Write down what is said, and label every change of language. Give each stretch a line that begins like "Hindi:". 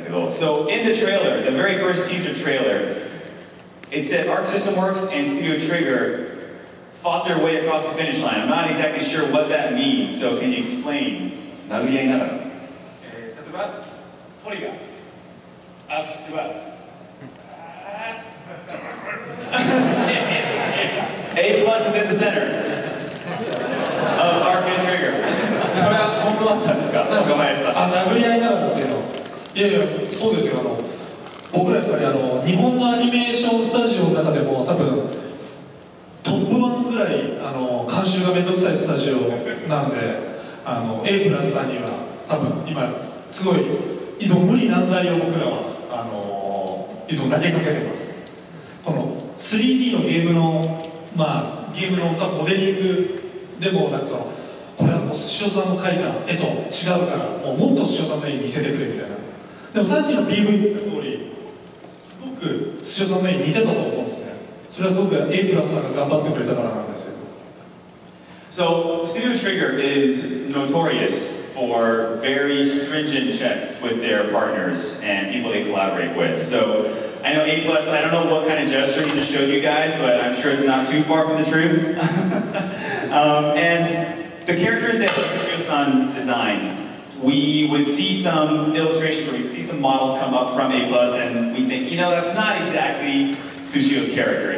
English: So in the trailer, the very first teaser trailer, it said Arc System Works and Studio Trigger fought their way across the finish line. I'm not exactly sure what that means, so can you explain?
Japanese: 殴り合いながら。例えば、トリガー、アークスクワーズ、
English: A plus is in the center of Arc and Trigger.
Japanese: それは本当だったんですか？岡林さん。あ、殴り合いながらっていうの。いやいや、そうですよ。僕らやっぱり日本のアニメーションスタジオの中でも多分、監修がめんどくさいスタジオなんで、A プラスさんには多分今すごい依存無理難題を僕らは依存投げかけてます。この 3D のゲームのまあゲームのモデリングでもなんかそのこれはもう SUSHIO さんの描いた絵と違うから もっと SUSHIO さんの絵に見せてくれみたいな。でもさっきの PV 言った通りすごく SUSHIO さんの絵に似てたと思うんですね。それはすごく A プラスさんが頑張ってくれたからなんですよ。
English: So, Studio Trigger is notorious for very stringent checks with their partners and people they collaborate with. So, I know A+, I don't know what kind of gesture to show you guys, but I'm sure it's not too far from the truth. and the characters that Toshimichi-san designed, we would see some illustrations where we'd see some models come up from A+, and we'd think, you know, that's not exactly Sushio's character.